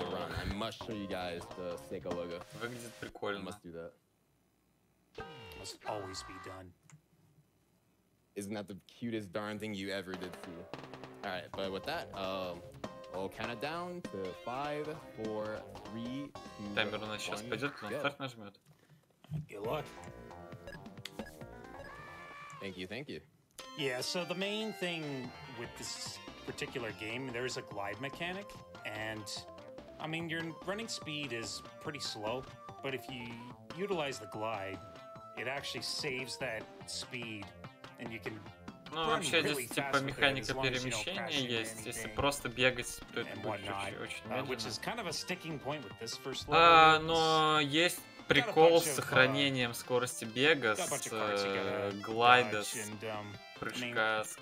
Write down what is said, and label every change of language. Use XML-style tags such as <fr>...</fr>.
<en>I must show you guys the Sega logo.</en> <ru>Выглядит прикольно.</ru> <en>Must do that. Must always be done. Isn't that the cutest darn thing you ever did see? All right, but with that, I'll count it down to 5, 4, 3.</en> <ru>Таймер у нас сейчас пойдет, он старт нажмет.</ru> <en>Good luck. Thank you, thank you. Yeah, so the main thing with this particular game, there is a glide mechanic, and I mean your running speed is pretty slow, but if you utilize the glide, it actually saves that speed, and you can.</en> <ru>Ну вообще здесь типа механика перемещения есть. Если просто бегать, то это будет очень медленно. Но есть прикол с сохранением скорости бега с глайда, с прыжка, с</ru>